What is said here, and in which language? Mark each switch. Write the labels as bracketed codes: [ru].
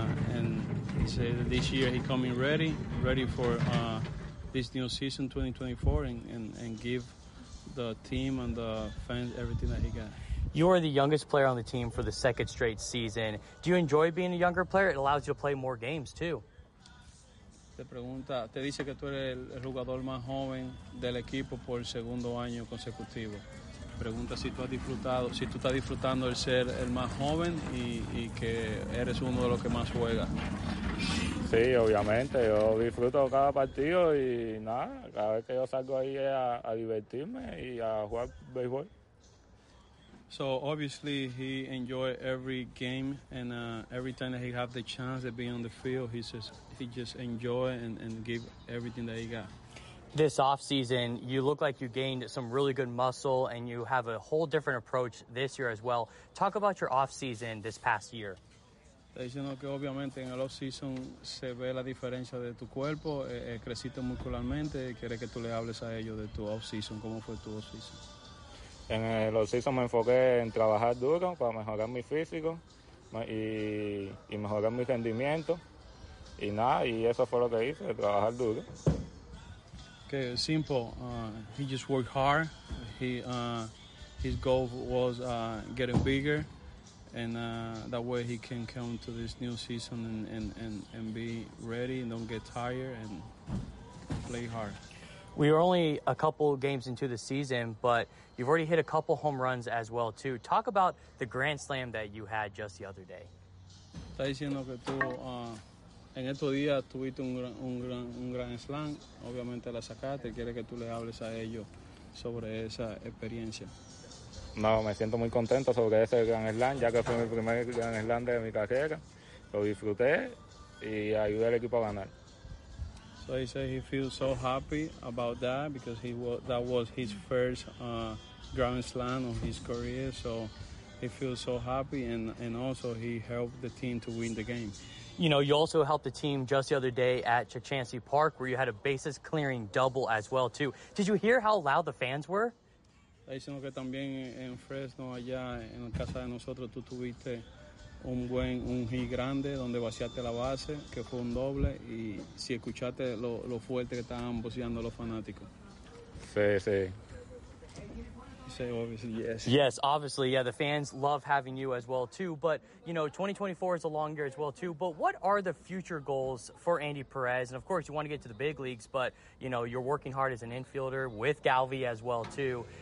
[en] And he said this year he coming ready for this new season 2024 and give the team and the fans everything that he got. You are the youngest player on the team for the second straight season. Do you enjoy being a younger player? It allows you to play more games too. [es] Te pregunta, te dice que tú eres el jugador más joven del equipo por el segundo año consecutivo. Pregunta si tú has disfrutado, si tú estás disfrutando el ser el más joven y que eres uno de los que más juega. Sí, obviamente, yo disfruto cada partido y nada, cada vez que yo salgo ahí es a divertirme y a jugar béisbol. [en] So obviously he enjoys every game and every time that he has the chance to be on the field, he just enjoys and give everything that he got. This offseason, you look like you gained some really good muscle and you have a whole different approach this year as well. Talk about your offseason this past year. [es] Diciendo que obviamente en el offseason se ve la diferencia de tu cuerpo, creciste muscularmente. Quiere que tú le hables a ellos de tu offseason, cómo fue tu offseason. En el offseason me enfoqué en trabajar duro para mejorar mi físico y mejorar mi rendimiento. Y nada, y eso fue lo que hice, trabajar duro. [en] Okay, simple. He just worked hard. His goal was getting bigger, and that way he can come to this new season and be ready and don't get tired and play hard. We are only a couple games into the season, but you've already hit a couple home runs as well too. Talk about the grand slam that you had just the other day. [es] Está diciendo que tú en estos días tuviste un gran slam, obviamente la sacaste. Quiere que tú le hables a ellos sobre esa experiencia. No, me siento muy contento sobre ese gran slam, ya que fue mi primer gran slam de mi carrera. Lo disfruté y ayudé al equipo a ganar. [en] So he said he feels so happy about that because that was his first grand slam of his career. So he feels so happy and also he helped the team to win the game. You know, you also helped the team just the other day at Chachansi Park where you had a bases clearing double as well too. Did you hear how loud the fans were? [es] Diciendo que también en Fresno allá en la casa de nosotros tú tuviste un hit grande donde vaciaste la base, que fue un doble, y si escuchaste lo fuerte que estaban boceando los fanáticos. Sí. [en] Say obviously yes. Yes, obviously, yeah, the fans love having you as well too, but you know, 2024 is a long year as well too, but what are the future goals for Andy Perez? And of course, you want to get to the big leagues, but you know, you're working hard as an infielder with Galvi as well too.